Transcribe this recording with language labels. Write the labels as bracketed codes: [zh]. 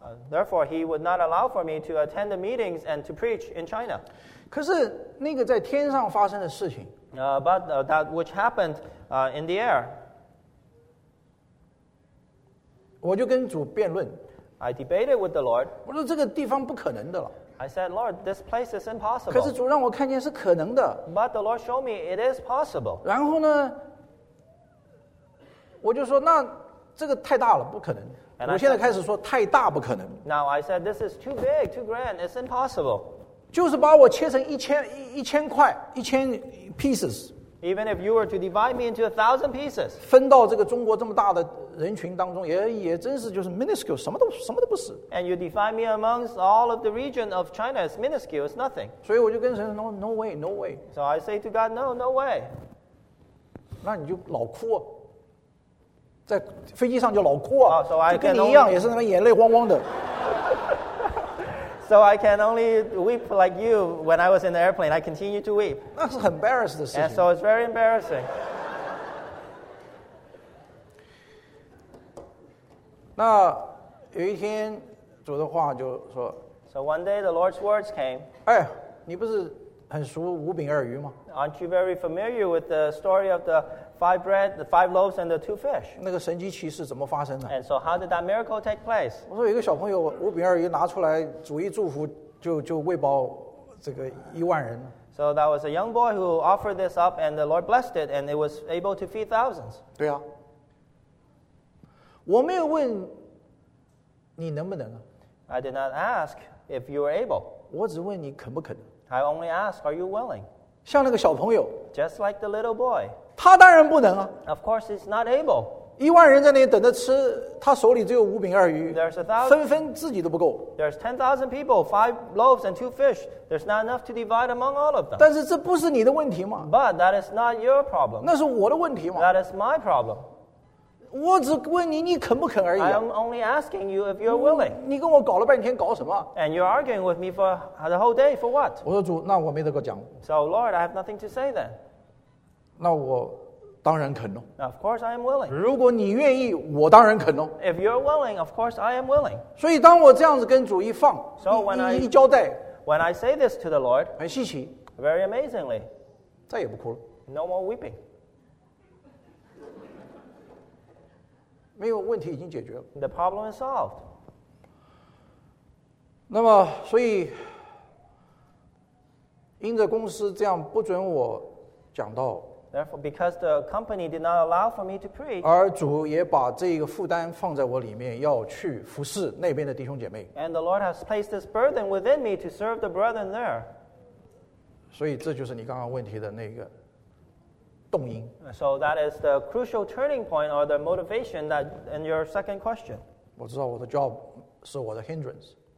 [en] Therefore, he would not allow for me to attend the meetings and to preach in China. [zh] 可是那个在天上发生的事情。 [en] But that which happened in the air. [zh] 我就跟主辩论。 [en] I debated with the Lord. [zh] 我说这个地方不可能的了。 [en] I said, Lord, this place is impossible. [zh] 可是主让我看见是可能的。 [en] But the Lord showed me it is possible. [zh] 然后呢，我就说那这个太大了，不可能。 [en] And、 [zh] 我现在开始说太大不可能。 [en] Now I said this is too big, too grand, it's impossible. [zh] 就是把我切成一千块一千 pieces. [en] Even if you were to divide me into 1,000 pieces. [zh] 分到这个中国这么大的人群当中，也真是就是 minuscule， 什么都不是。 [en] And you divide me amongst all of the region of China, it's minuscule, it's nothing. [zh] 所以我就跟神说 ， [en] No way. So I say to God, No way. [zh] 那你就老哭，在飞机上就老哭啊， oh, so、就跟你一样，也是那边眼泪汪汪的。 [en] So I can only weep like you when I was in the airplane. I continue to weep. [zh] 那是很 embarrassed 的事情。 [en] And so it's very embarrassing. [zh] 那有一天主的话就说。 [en] So one day the Lord's words came. [zh] 哎，你不是很熟五饼二鱼吗？ [en] Aren't you very familiar with the story of the five bread, the five loaves and the two fish? [zh] 那个神迹奇事怎么发生的？ [en] And so how did that miracle take place? [zh] 我说有一个小朋友五饼二鱼拿出来主一祝福就喂饱这个一万人。 [en] So that was a young boy who offered this up and the Lord blessed it and it was able to feed thousands. [zh] 对啊。我没有问你能不能。 [en] I did not ask if you were able. [zh] 我只问你肯不肯。 [en] I only ask, are you willing? [zh] 像那个小朋友。 [en] Just like the little boy. [zh] 他当然不能啊。 [en] Of course, he's not able. [zh] 一万人在那里等着吃，他手里只有五饼二鱼。 [en] There's a thousand. [zh] 分分自己都不够。 [en] There's 10,000 people, five loaves and two fish. There's not enough to divide among all of them. [zh] 但是这不是你的问题吗？ [en] But that is not your problem. [zh] 那是我的问题吗？ [en] That is my problem. [zh] 我只问你，你肯不肯而已。 [en] I'm only asking you if you're willing. [zh] 你跟我搞了半天，搞什么？ [en] And you're arguing with me for the whole day for what? [zh] 我说主，那我没得个讲。 [en] So Lord, I have nothing to say then. [zh] 那我当然肯哦。 [en] Of course I am willing. [zh] 如果你愿意，我当然肯哦。 [en] If you're willing, of course I am willing. [zh] 所以当我这样子跟主一放， [en] so、when [zh] 一交代， [en] when I say this to the Lord, [zh] 很稀奇， [en] very amazingly, [zh] 再也不哭了。 [en] No more weeping. [zh] 没有问题已经解决了。 [en] The problem is solved. [zh] 那么，所以因着公司这样不准我讲到。 [en] Therefore, because the company did not allow for me to preach, [zh] 而主也把这个负担放在我里面，要去服侍那边的弟兄姐妹。 [en] And the Lord has placed this burden within me to serve the brethren there. [zh] 所以这就是你刚刚问题的那个动因。 [en] So that is the crucial turning point or the motivation that in your second question. [zh] 我知道我的 job 是我的 hindrance.